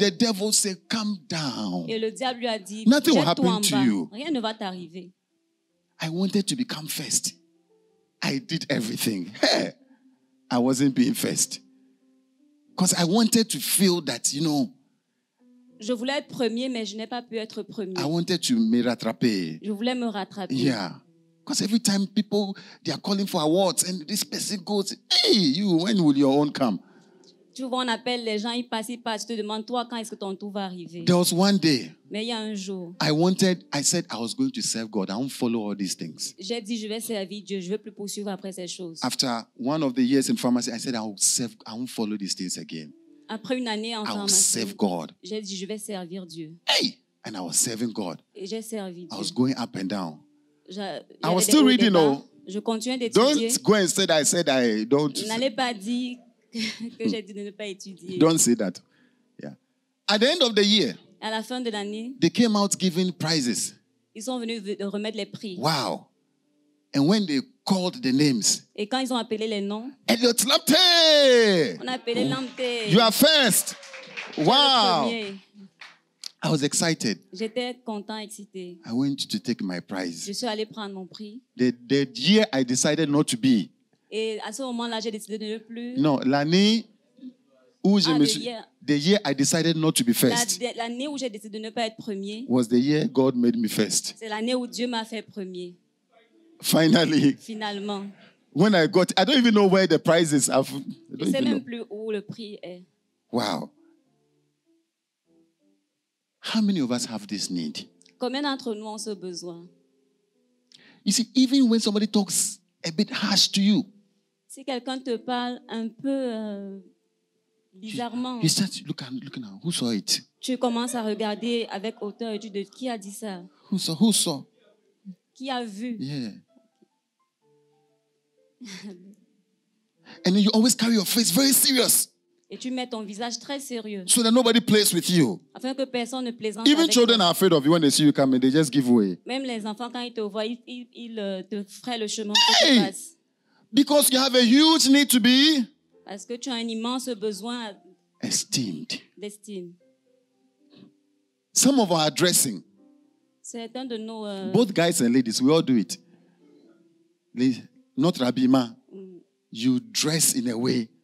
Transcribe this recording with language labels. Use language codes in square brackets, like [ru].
[en] The devil said, come down. [fr] Et le diable lui a dit, [en] nothing will happen to [fr] bas. [en] You. [fr] Rien ne va t'arriver. [en] I wanted to become first. I did everything. Hey, I wasn't being first. Because I wanted to feel that, you know, [fr] je voulais être premier, mais je n'ai pas pu être premier. [en] I wanted to [fr] me rattraper. Je voulais me rattraper. [en] Yeah. Because every time people, they are calling for awards, and this person goes, hey, you, when will your own come? [fr] Tu vois, on appelle les gens, ils passent, ils passent. Tu te demandes, toi, quand est-ce que ton tour va arriver? [en] There was one day. [fr] Mais il y a un jour. [en] I said I was going to serve God. I won't follow all these things. [fr] J'ai dit, je vais servir Dieu. Je ne vais plus poursuivre après ces choses. [en] After one of the years in pharmacy, I said I will serve, I won't follow these things again. [fr] Après une année en pharmacie, j'ai dit, je vais servir Dieu. [en] Hey! And I was serving God. [fr] Et j'ai servi Dieu. [en] I was going up and down. I was still reading, though. [fr] Je continuais d'étudier. [en] Don't go and say that I said I don't. [fr] N'allez pas dire que j'ai dit de ne pas étudier. [en] Don't say that. Yeah. At the end of the year, [fr] à la fin de l'année, [en] they came out giving prizes. [fr] Ils sont venus remettre les prix. [en] Wow. And when they called the names. [fr] Et quand ils ont appelé les noms. [en] Elliot Lamptey. [fr] On a appelé Lamptey. [en] You are first. Wow. I was excited. [fr] J'étais content, excité. [en] I went to take my prize. [fr] Je suis allé prendre mon prix. [en] The year I decided not to be. [fr] Et à ce moment-là, j'ai décidé de ne plus. Non, l'année où je ah, me suis. [en] The year I decided not to be first. [fr] L'année où j'ai décidé de ne pas être premier. [en] Was the year God made me first. [fr] C'est l'année où Dieu m'a fait premier. [en] Finally, [fr] finalement, [en] when I got, I don't even know where the prizes are. [fr] Je sais même plus où le prix est. [en] Wow. How many of us have this need? [fr] Combien d'entre nous ont ce besoin? [en] You see, even when somebody talks a bit harsh to you, [fr] si quelqu'un te parle un peu bizarrement, [en] you start looking at who saw it. [fr] Tu commences à regarder avec hauteur et tu dis qui a dit ça? [en] Who saw? [fr] Qui a vu? [en] Yeah. And then you always carry your face very serious. [fr] Et tu mets ton visage très sérieux. [en] So that nobody plays with you. [fr] Afin que personne ne plaisante. [en] Even children are afraid of you when they see you coming. They just give way. [fr] Même les enfants quand ils te voient, ils te fraient le chemin. [en] Hey! Because you have a huge need to be. [fr] Parce que tu as un immense besoin. [en] Esteemed. [fr] D'estime. [en] Some of our dressing. [fr] De nos, [en] both guys and ladies, we all do it. Not Rabima. You dress in a way.